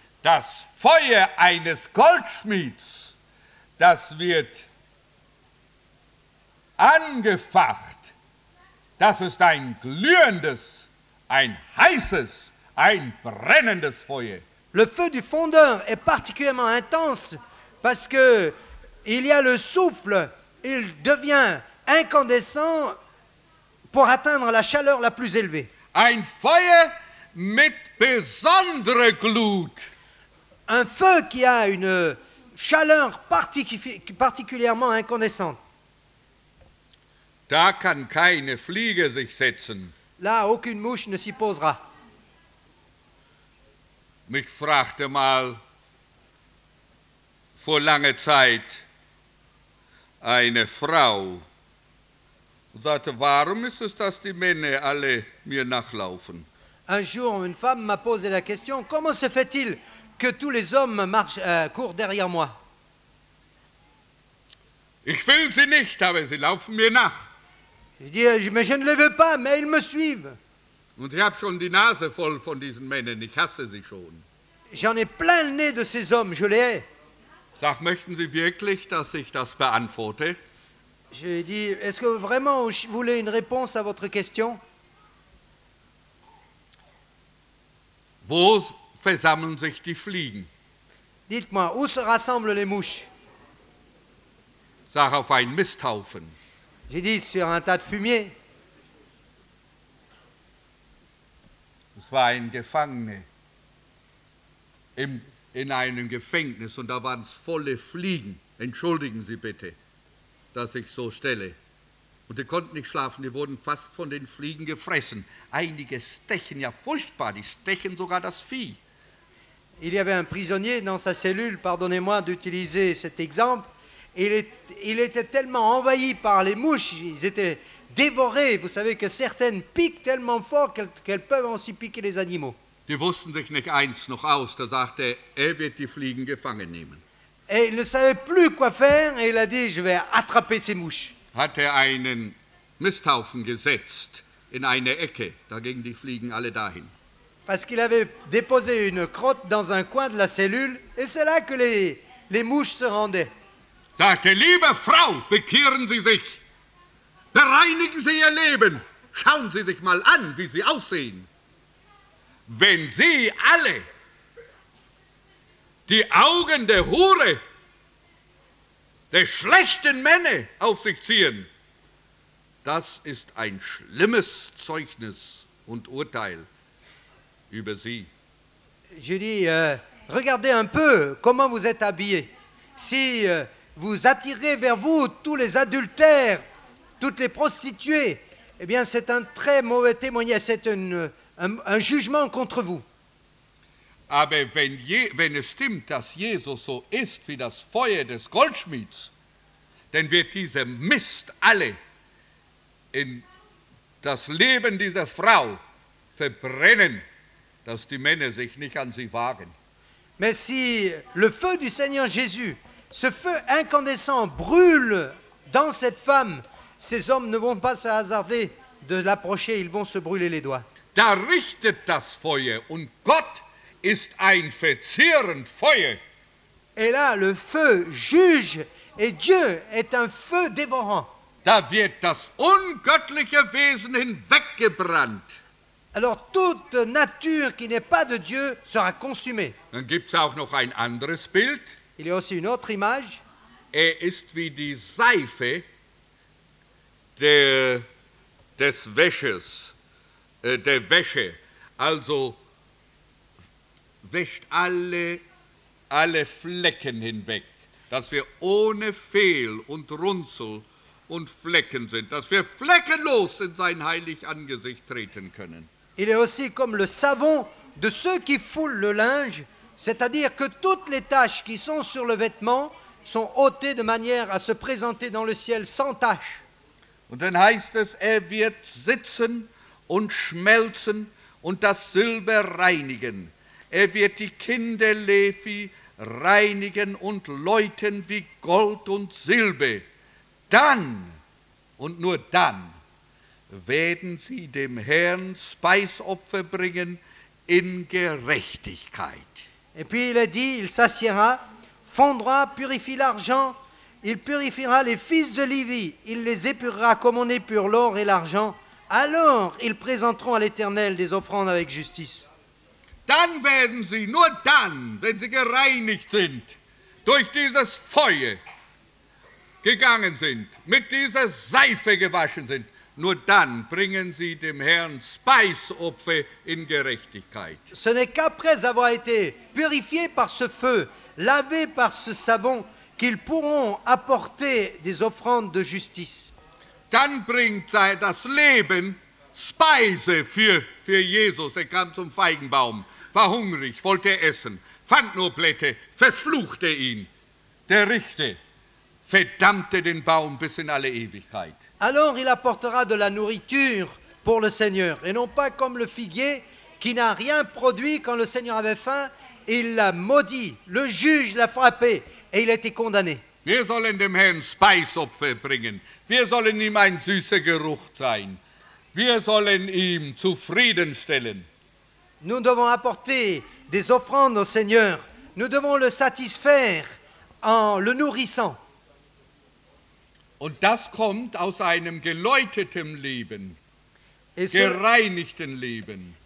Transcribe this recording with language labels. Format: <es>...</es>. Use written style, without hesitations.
<de>Das Feuer eines Goldschmieds, das wird angefacht. Das ist ein glühendes, ein heißes, ein brennendes Feuer.</de> <fr>Le feu du fondeur est particulièrement intense parce que il y a le souffle, il devient incandescent pour atteindre la chaleur la plus élevée.</fr> <de>Ein Feuer mit besonderer Glut.</de> <fr>Un feu qui a une chaleur particulièrement incandescente.</fr> <de>Da kann keine Fliege sich setzen.</de> <fr>Là, aucune mouche ne s'y posera.</fr> <de>Mich fragte mal vor langer Zeit eine Frau, und sagte, warum ist es, dass die Männer alle mir nachlaufen?</de> <fr>Un jour, une femme m'a posé la question, comment se fait-il que tous les hommes courent derrière moi?</fr> <de>Ich will sie nicht, aber sie laufen mir nach.</de> <fr>Je dis, mais je ne les veux pas, mais ils me suivent.</fr> <de>Und ich habe schon die Nase voll von diesen Männern, ich hasse sie schon.</de> <fr>J'en ai plein le nez de ces hommes, je les hais.</fr> <de>Sag, möchten Sie wirklich, dass ich das beantworte?</de> <fr>Je lui ai dit, est-ce que vraiment vous voulez une réponse à votre question?</fr> <de>Wo versammeln sich die Fliegen?</de> <fr>Dites-moi, où se rassemblent les mouches?</fr> <de>Sag, auf einen Misthaufen.</de> <fr>J'ai dit, sur un tas de fumier.</fr> <de>Es war ein Gefangene in einem Gefängnis und da waren es volle Fliegen. Entschuldigen Sie bitte, dass ich so stelle. Und die konnten nicht schlafen, die wurden fast von den Fliegen gefressen. Einige stechen ja furchtbar, die stechen sogar das Vieh.</de> <fr>Il y avait un prisonnier dans sa cellule, pardonnez-moi d'utiliser cet exemple, il était tellement envahi par les mouches, ils étaient dévorés, vous savez que certaines piquent tellement fort qu'elles peuvent aussi piquer les animaux.</fr> <de>Die wussten sich nicht eins noch aus, da sagte er, er wird die Fliegen gefangen nehmen.</de> <fr>Et il ne savait plus quoi faire et il a dit, je vais attraper ces mouches.</fr> <de>Hat er einen Misthaufen gesetzt in eine Ecke, da gingen die Fliegen alle dahin.</de> <fr>Parce qu'il avait déposé une crotte dans un coin de la cellule et c'est là que les mouches se rendaient.</fr> <de>Sagte, liebe Frau, bekehren Sie sich, bereinigen Sie Ihr Leben, schauen Sie sich mal an, wie Sie aussehen. Wenn Sie alle die Augen der Hure, der schlechten Männer auf sich ziehen, das ist ein schlimmes Zeugnis und Urteil über Sie.</de> <fr>Je dis, regardez un peu comment vous êtes habillé. Si vous attirez vers vous tous les adultères, toutes les prostituées, eh bien c'est un très mauvais témoignage, c'est un jugement contre vous.</fr> <de>Aber wenn es stimmt, dass Jesus so ist wie das Feuer des Goldschmieds, dann wird dieser Mist alle in das Leben dieser Frau verbrennen dass die Männer sich nicht an sie wagen.</de> <fr>Mais si le feu du Seigneur Jésus, ce feu incandescent, brûle dans cette femme, ces hommes ne vont pas se hasarder de l'approcher, ils vont se brûler les doigts.</fr> <de>Da richtet das Feuer und Gott ist ein verzehrend Feuer.</de> <fr>Et là, le feu juge et Dieu est un feu dévorant.</fr> <de>Da wird das ungöttliche Wesen hinweggebrannt.</de> <fr>Alors toute nature qui n'est pas de Dieu sera consumée.</fr> <de>Dann gibt's auch noch ein anderes Bild.</de> <fr>Il y a aussi une autre image.</fr> <de>Er ist wie die Seife des Wäschers, der Wäsche. Also wäscht alle Flecken hinweg, dass wir ohne Fehl und Runzel und Flecken sind, dass wir fleckenlos in sein heilig Angesicht treten können.</de> <fr>Il est aussi comme le savon de ceux qui foulent le linge, c'est-à-dire que toutes les taches qui sont sur le vêtement sont ôtées de manière à se présenter dans le ciel sans tache.</fr> <de>Und dann heißt es, er wird sitzen und schmelzen und das Silber reinigen. Er wird die Kinder Levi reinigen und läuten wie Gold und Silber. Dann und nur dann werden sie dem Herrn Speisopfer bringen in Gerechtigkeit.</de> <fr>Et puis il a dit, il s'assiera, fondra, purifie l'argent, il purifiera les fils de Lévi, il les épurera comme on épure l'or et l'argent, alors ils présenteront à l'Éternel des offrandes avec justice.</fr> <de>Dann werden sie, nur dann, wenn sie gereinigt sind, durch dieses Feuer gegangen sind, mit dieser Seife gewaschen sind, nur dann bringen sie dem Herrn Speisopfer in Gerechtigkeit.</de> <fr>Ce n'est qu'après avoir été purifiés par ce feu, lavés par ce savon, qu'ils pourront apporter des offrandes de justice.</fr> <de>Dann bringt das Leben Speise für Jesus. Er kam zum Feigenbaum, war hungrig, wollte essen, fand nur Blätter, verfluchte ihn. Der Richter verdammte den Baum bis in alle Ewigkeit.</de> <fr>Alors il apportera de la nourriture pour le Seigneur, et non pas comme le figuier qui n'a rien produit quand le Seigneur avait faim, il l'a maudit, le juge l'a frappé et il a été condamné.</fr> <de>Wir sollen dem Herrn Speisopfer bringen, wir sollen ihm ein süßer Geruch sein, wir sollen ihm zufrieden stellen.</de> <fr>Nous devons apporter des offrandes au Seigneur, nous devons le satisfaire en le nourrissant.</fr> <de>Und das kommt aus einem geläutetem Leben, gereinigten Leben.</de>